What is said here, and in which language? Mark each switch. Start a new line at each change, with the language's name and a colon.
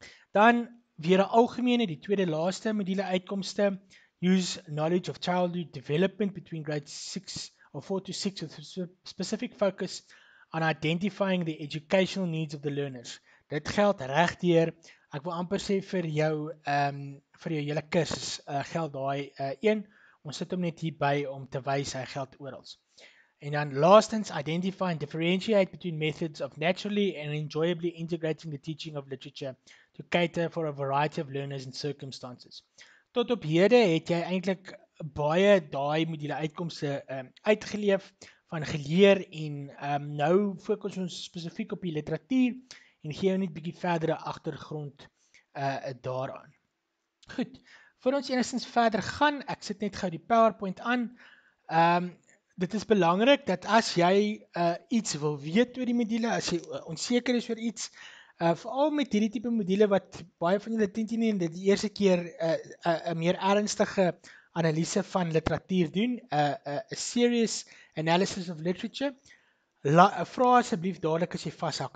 Afrikaans: Dan weer 'n algemene, die tweede laaste module uitkomste,
English: use knowledge of childhood development between grades 6 or 4 to 6 with a specific focus on identifying the educational needs of the learners.
Afrikaans: Dit geld regdeur, ek wil amper sê vir jou hele kursus geld daai een. Ons sit hom net hier by om te wys hy geld oral. En dan lastens,
English: identify and differentiate between methods of naturally and enjoyably integrating the teaching of literature to cater for a variety of learners and circumstances.
Afrikaans: Tot op hede het jy eintlik baie daai module uitkomste uitgeleef van geleer en nou fokus ons spesifiek op die literatuur en gee jou net 'n bietjie verdere agtergrond daaraan. Goed, voor ons enigstens verder gaan, ek sit net gou die PowerPoint aan. Dit is belangrik dat as jy iets wil weet oor die module, as jy onseker is oor iets, vooral met hierdie type module wat baie van julle teen nie en dit die eerste keer 'n meer ernstige analise van literatuur doen, 'n
English: serious analysis of literature,
Afrikaans: vra asseblief dadelik as jy vashak.